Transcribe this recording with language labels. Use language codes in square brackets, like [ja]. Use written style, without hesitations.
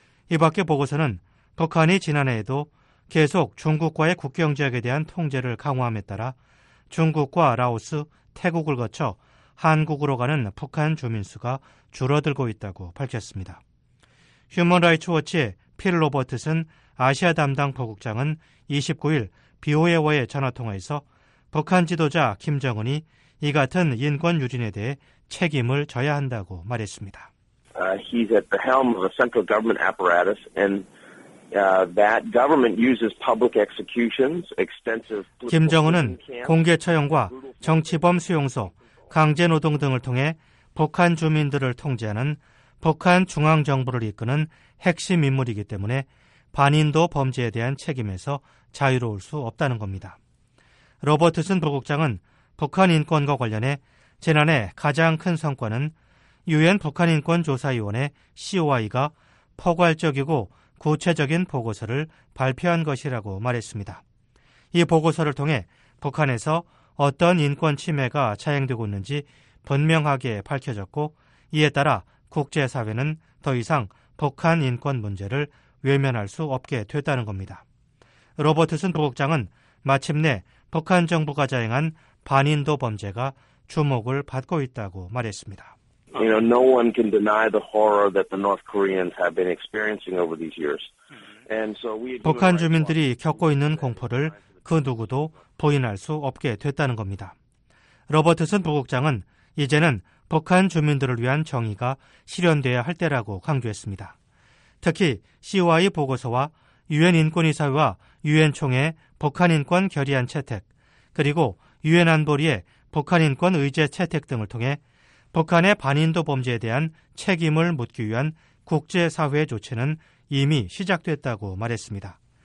[ko] 이밖에 보고서는 북한이 지난해에도 계속 중국과의 국경 지역에 대한 통제를 강화함에 따라 중국과 라오스, 태국을 거쳐 한국으로 가는 북한 주민 수가 줄어들고 있다고 밝혔습니다. 휴먼 라이츠 워치의 필 로버트슨 아시아 담당 보국장은 29일 BOA와의 전화통화에서 북한 지도자 김정은이 이 같은 인권 유린에 대해 책임을 져야 한다고 말했습니다. [en] He's at the helm of a central government apparatus and that government uses public executions, extensive [ko] 김정은은 공개 처형과 정치범 수용소, 강제노동 등을 통해 북한 주민들을 통제하는 북한 중앙정부를 이끄는 핵심 인물이기 때문에 반인도 범죄에 대한 책임에서 자유로울 수 없다는 겁니다. 로버트슨 부국장은 북한 인권과 관련해 지난해 가장 큰 성과는 유엔 북한인권조사위원회 COI가 포괄적이고 구체적인 보고서를 발표한 것이라고 말했습니다. 이 보고서를 통해 북한에서 어떤 인권 침해가 자행되고 있는지 분명하게 밝혀졌고 이에 따라 국제사회는 더 이상 북한 인권 문제를 외면할 수 없게 됐다는 겁니다. 로버트슨 부국장은 마침내 북한 정부가 자행한 반인도 범죄가 주목을 받고 있다고 말했습니다. [en] You know, no one can deny the horror that the North Koreans have been experiencing over these years. And so we [ko] 북한 주민들이 겪고 있는 공포를 그 누구도 부인할 수 없게 됐다는 겁니다. 로버트슨 부국장은 이제는 북한 주민들을 위한 정의가 실현돼야 할 때라고 강조했습니다. 특히 COI 보고서와 유엔인권이사회와 유엔총회 북한인권결의안 채택, 그리고 유엔안보리의 북한인권의제 채택 등을 통해 북한의 반인도 범죄에 대한 책임을 묻기 위한 국제사회의 조치는 이미 시작됐다고 말했습니다.